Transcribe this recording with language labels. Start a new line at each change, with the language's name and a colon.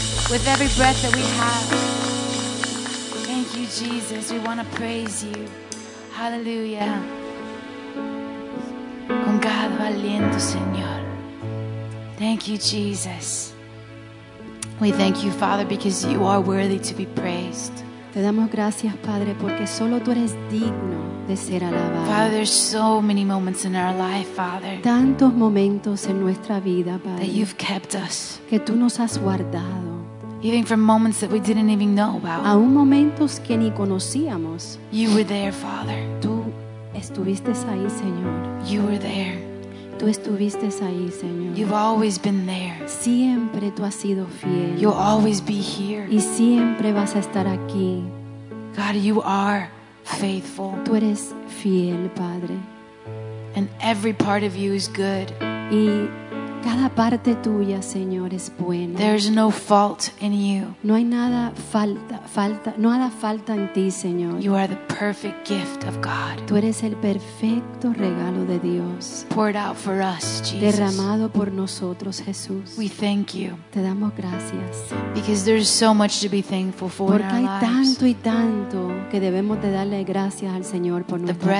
English: With every breath that we have, thank you, Jesus. We want to praise you. Hallelujah.
Spanish: Con cada aliento, Señor.
English: Thank you, Jesus. We thank you, Father, because you are worthy to be praised.
Spanish: Te damos gracias, Padre, porque solo tú eres digno de ser alabado.
English: Father, there's so many moments in our life, Father.
Spanish: Tantos momentos en nuestra vida, Padre.
English: That you've kept us.
Spanish: Que tú nos has guardado.
English: Even from moments that we didn't even know about.
Spanish: Aún momentos que ni conocíamos.
English: You were there, Father.
Spanish: Tú estuviste ahí, Señor.
English: You were there.
Spanish: Tú estuviste ahí, Señor.
English: You've always been there.
Spanish: Siempre tú has sido fiel.
English: You'll always be here.
Spanish: Y siempre vas a estar aquí.
English: God, you are faithful.
Spanish: Tú eres fiel, Padre.
English: And every part of you is good.
Spanish: Y cada parte tuya, Señor, es buena.
English: There's no fault in you.
Spanish: No hay nada falta, no hay falta en ti, Señor.
English: You are the perfect gift of God.
Spanish: Tú eres el perfecto regalo de Dios.
English: Poured out for us, Jesus.
Spanish: Derramado por nosotros, Jesús.
English: We thank you.
Spanish: Te damos gracias.
English: Because there's so much to be thankful for.
Spanish: Porque
English: in our
Spanish: hay
English: lives.
Spanish: Tanto y tanto que debemos de darle gracias al Señor por nuestra